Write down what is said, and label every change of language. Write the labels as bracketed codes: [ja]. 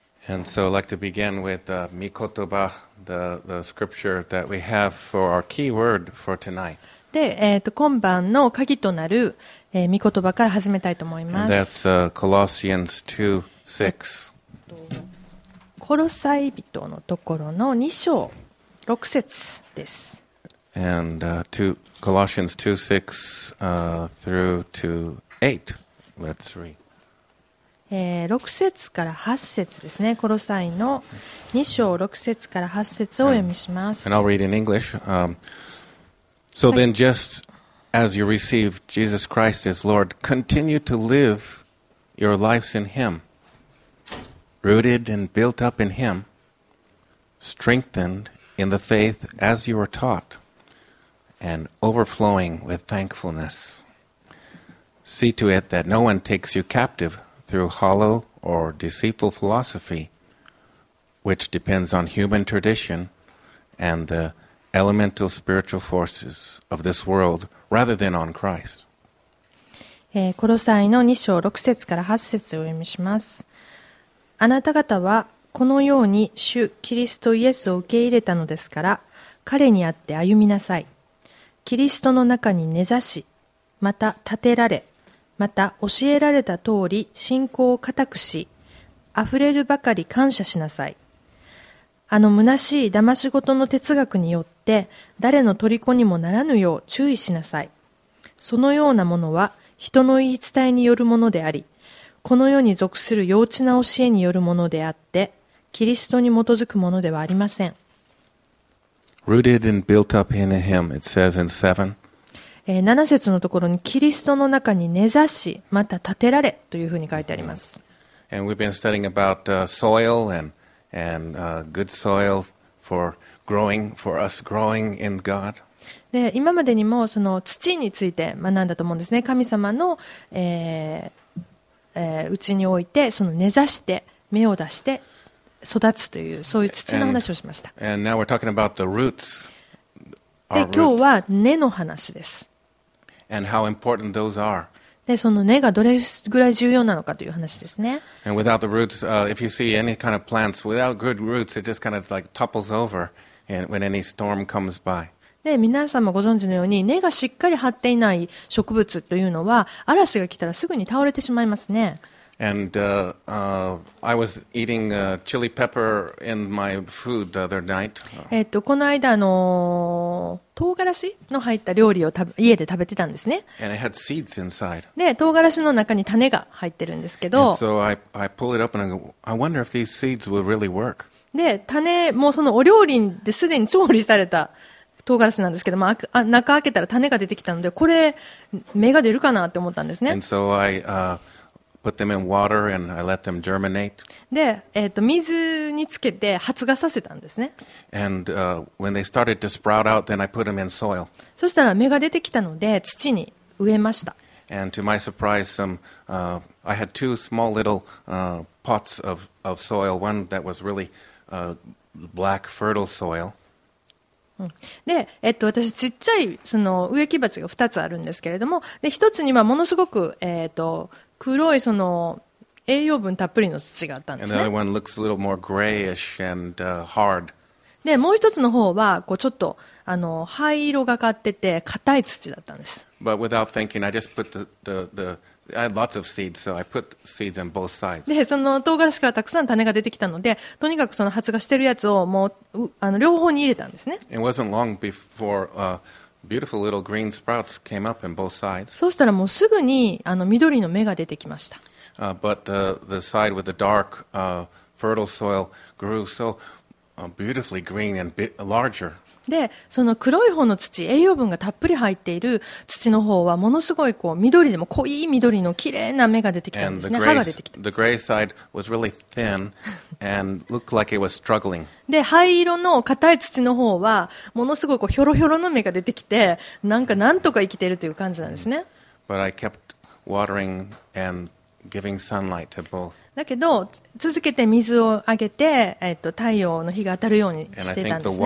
[en] And so I'd like to begin with Mikotoba, the scripture that we have for our key word for tonight. [ja] で、今晩の鍵となる、御言葉から始めたいと思います。 [en] And that's Colossians 2:6. [ja] コロサイ人のところの2章6節です。 [en] And Colossians 2:6 through to 8. Let's read. [ja] 6節から8節ですね。コロサイの2章6節から8節を読みします。 [en] And I'll read in English. So then, just as you receive Jesus Christ as Lord, continue to live your lives in Him, rooted and built up in Him, strengthened in the faith as you were taught, and overflowing with thankfulness. See to it that no one takes you captive. Through hollow or deceitful philosophy, which depends on human tradition and the elemental spiritual forces of this world rather than on Christ. [ja] コロサイの2章6節から8節を読みします。あなた方はこのように主キリストイエスを受け入れたのですから、彼にあって歩みなさい。キリストの中に根ざし、また立てられ、また教えられた通り信仰を固くし、あふれるばかり感謝しなさい。あの虚しい騙し事の哲学によって誰の虜にもならぬよう注意しなさい。そのようなものは人の言い伝えによるものであり、この世に属する幼稚な教えによるものであって、キリストに基づくものではありません。 [en] Rooted and built up in him, it says in 7. [ja] 7節のところにキリストの中に根ざし、また建てられというふうに書いてあります。 [en] And we've been studying about soil and good soil for growing, for us growing in God. [ja] で、今までにもその土について学んだと思うんですね。神様の、内においてその根ざして芽を出して育つという、そういう土の話をしました。 [en] and now we're talking about the roots. [ja] で、今日は根の話です。 [en] And how important those are. [ja] で、その根がどれぐらい重要なのかという話ですね。 [en] And without the roots, if you see any kind of plants, without good roots, it just kind of like topples over when any storm comes by. [ja] で、皆さんもご存知のように、根がしっかり張っていない植物というのは、嵐が来たらすぐに倒れてしまいますね。 [en] And I was eating chili pepper in my food the other night. [ja] この間の唐辛子の入った料理を家で食べてたんですね。 [en] And it had seeds inside. [ja] で、唐辛子の中に種が入ってるんですけど。 [en] And so I pull it up and I go, I wonder if these seeds will really work. [ja] で、種もそのお料理ですでに調理された唐辛子なんですけども、中開けたら種が出てきたので、これ芽が出るかなって思ったんですね。 [en] And so I put them in water and I let them germinate. [ja] で、水につけて発芽させたんですね。 [en] And when they started to sprout out, then I put them in soil. [ja] そしたら芽が出てきたので土に植えました。 [en] And to my surprise, I had two small little pots of soil. One that was really black fertile soil. [ja] で、私ちっちゃいその植木鉢が2つあるんですけれども、で、1つにはものすごく黒いその栄養分たっぷりの土があったんですね。 [en] And the other one looks a little more grayish and hard. [ja] で、もう1つの方はこうちょっと灰色がかってて硬い土だったんです。 [en] But without thinking, I just put the I had lots of seeds, so I put seeds on both sides. [ja] で、その唐辛子からたくさん種が出てきたので、とにかくその発芽してるやつをもう両方に入れたんですね。 [en] It wasn't long before beautiful little green sprouts came up in both sides. [ja] そうしたらもうすぐに緑の芽が出てきました。 [en] But the side with the dark fertile soil grew so beautifully green and bit larger. [ja] で、その黒い方の土、栄養分がたっぷり入っている土の方はものすごいこう緑でも濃い緑の綺麗な芽が出てきたんですね。葉が出てきた。 [en] The gray side was really thin and looked like it was struggling. [ja] で、灰色の硬い土の方はものすごいこうひょろひょろの芽が出てきて、なんかなんとか生きているという感じなんですね。 [en] But I kept watering and giving sunlight to both. [ja] だけど続けて水をあげて、太陽の日が当たるようにしてたんですね。